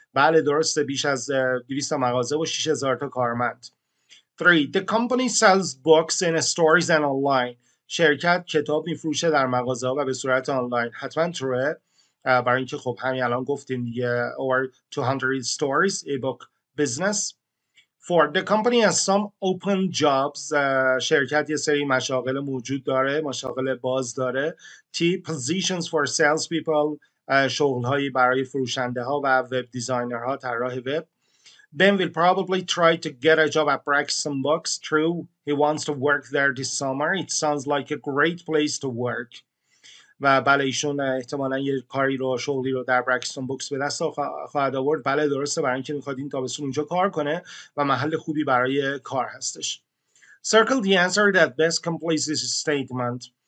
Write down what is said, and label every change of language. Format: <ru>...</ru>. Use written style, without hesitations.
<fa>بله درسته، بیش از 200 مغازه و 6,000 تا کارمند.</fa> <en>3, the company sells books in stores and online.</en> <fa>شرکت کتاب میفروشه در مغازه و به صورت آنلاین. حتما true. برای اینکه خب همین الان گفتیم دیگه</fa> <en>over 200 stores, ebook business.</en> <fa>4.</fa> <en>The company has some open jobs.</en> <fa>شرکت یه سری مشاغل موجود داره. مشاغل باز داره.</fa> <en>T. Positions for salespeople.</en> <fa>شغلهایی برای فروشنده ها و ویب دیزاینر ها. طراح ویب.</fa> <en>Ben will probably try to get a job at Braxton Books. True. He wants to work there this summer. It sounds like a great place to work.</en> <fa>و بله ایشون احتمالا یه کاری رو شغلی رو در برکستون بوکس به دست خواهد آورد. بله درسته، برای اینکه میخواد این تابستون اونجا کار کنه و محل خوبی برای کار هستش.</fa> <en>Circle the answer that best completes this statement.</en>